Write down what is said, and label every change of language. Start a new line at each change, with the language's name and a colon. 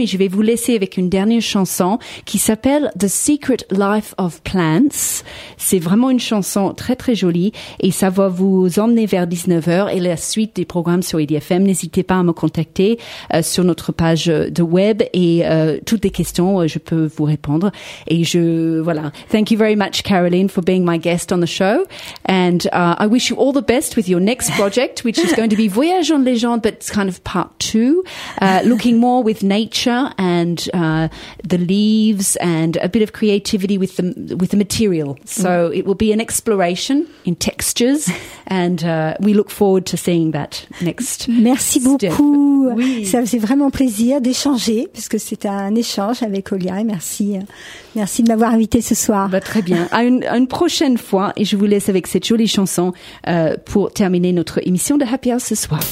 French: Et je vais vous laisser avec une dernière chanson qui s'appelle The Secret Life of Plants. C'est vraiment une chanson très, très jolie. Et ça va vous emmener vers 19h et la suite des programmes sur IDFM. N'hésitez pas à me contacter sur notre page de web et toutes les questions, je peux vous répondre. Et je, voilà.
English: Thank you very much, Caroline, for being my guest on the show. And I wish you all the best with your next project, which is going to be Voyage en légende, but it's kind of part two, looking more with nature and the leaves and a bit of creativity with the material. So it will be an exploration in textures and we look forward to seeing that next.
French: Merci beaucoup. Oui. Ça faisait vraiment plaisir d'échanger puisque c'était un échange avec Olia et merci. Merci de m'avoir invité ce soir. Bah, très bien. À une prochaine fois et je vous laisse avec cette jolie chanson pour terminer notre émission de Happy Hour ce soir.